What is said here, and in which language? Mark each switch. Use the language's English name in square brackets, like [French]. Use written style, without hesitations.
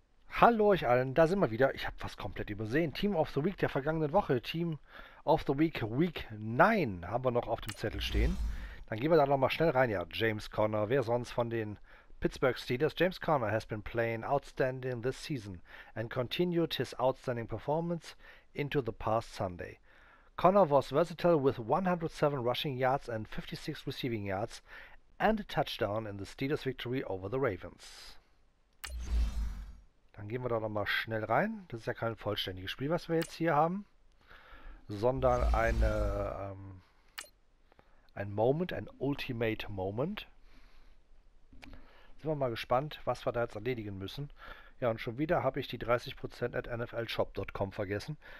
[German] Hallo euch allen, da sind wir wieder. Ich habe was komplett übersehen. Team of the Week der vergangenen Woche. Team of the Week, Week 9 haben wir noch auf dem Zettel stehen. Dann gehen wir da nochmal schnell rein. Ja, James Conner, wer sonst von den Pittsburgh Steelers? [English] James Conner has been playing outstanding this season and continued his outstanding performance into the past Sunday. Conner was versatile with 107 rushing yards and 56 receiving yards and a touchdown in the Steelers' victory over the Ravens. [German] Dann gehen wir da nochmal schnell rein. Das ist ja kein vollständiges Spiel, was wir jetzt hier haben, sondern ein Moment, ein Ultimate Moment. Wir mal gespannt, was wir da jetzt erledigen müssen. Ja, und schon wieder habe ich die 30% at NFLShop.com vergessen.